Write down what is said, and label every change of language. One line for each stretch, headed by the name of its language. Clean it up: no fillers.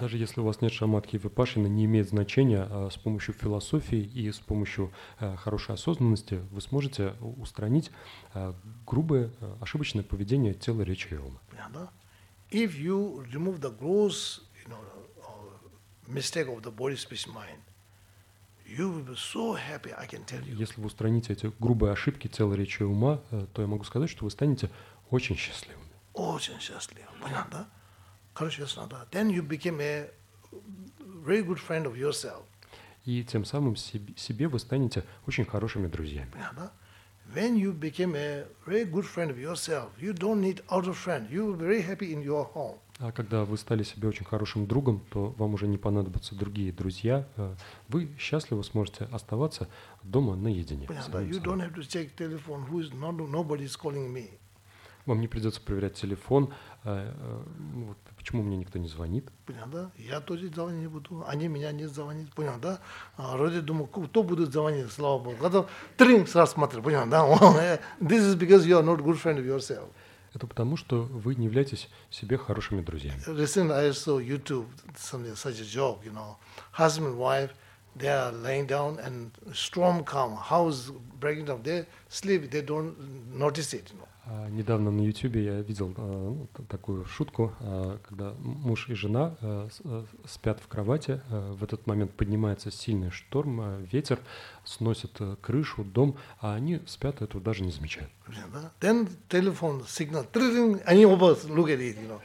Russian: Даже если у вас нет шаматхи и випашаны, не имеет значения, с помощью философии и с помощью хорошей осознанности вы сможете устранить грубое, ошибочное поведение тела, речи и ума. Понятно?
English: If you remove the gross, you know, mistake of the body, speech, mind, you will be so happy, I can tell you.
Russian: Если вы устраните эти грубые ошибки тела, речи и ума, то я могу сказать, что вы станете очень счастливыми. Очень счастливым. Понятно, да? Короче, ясно, да?
English: Then you became a very good friend of yourself.
Russian: И тем самым себе вы станете очень хорошими друзьями. Понятно, да?
English: When you became a very good friend of yourself, you don't need other friend. You will be very happy in your home.
Russian: А когда вы стали себе очень хорошим другом, то вам уже не понадобятся другие друзья. Вы счастливо сможете оставаться дома наедине.
English: You don't have to check telephone. Who is not, nobody is calling me.
Russian: Вам не придется проверять телефон. Вот почему мне никто не звонит? Понятно, да? Я тоже звонить не буду. Они меня не звонят. Понятно, да? Вроде думаю, кто будет звонить, слава Богу. Когда тринг сразу смотрю, понятно, да?
English: This is because you are not good friend of yourself.
Russian: Это потому, что вы не являетесь себе хорошими друзьями.
English: Recently I saw YouTube something such a joke, you know. Husband, wife, they are laying down and storm come, house breaking down, they sleep, they don't notice it, you know.
Russian: Недавно на YouTube я видел такую шутку, когда муж и жена спят в кровати, в этот момент поднимается сильный шторм, ветер сносит крышу, дом, а они спят, этого даже не замечают.
English: Then telephone signal,
Russian: они оба
English: look at it, you know.